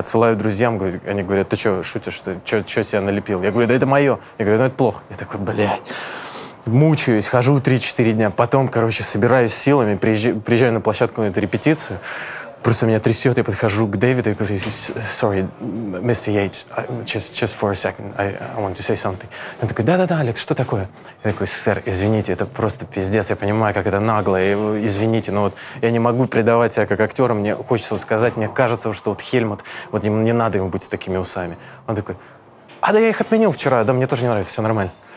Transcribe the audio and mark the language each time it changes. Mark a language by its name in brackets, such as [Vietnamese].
[Russian] Отсылаю друзьям, говорю, они говорят, ты что, шутишь, что что себя налепил? Я говорю, да это мое. Я говорю, ну это плохо. Я такой, блядь, мучаюсь, хожу 3-4 дня. Потом, короче, собираюсь силами, приезжаю на площадку на эту репетицию. Просто меня трясет, я подхожу к Дэвиду и говорю, [English] sorry, Mr. Yates, just for a second, I want to say something. [Russian] Он такой, да-да-да, Алекс, что такое? Я такой, сэр, извините, это просто пиздец, я понимаю, как это нагло, извините, но вот я не могу предавать себя как актера, мне хочется сказать, мне кажется, что вот Хельмут, вот не надо ему быть с такими усами. Он такой, а да я их отменил вчера, да мне тоже не нравится, все нормально.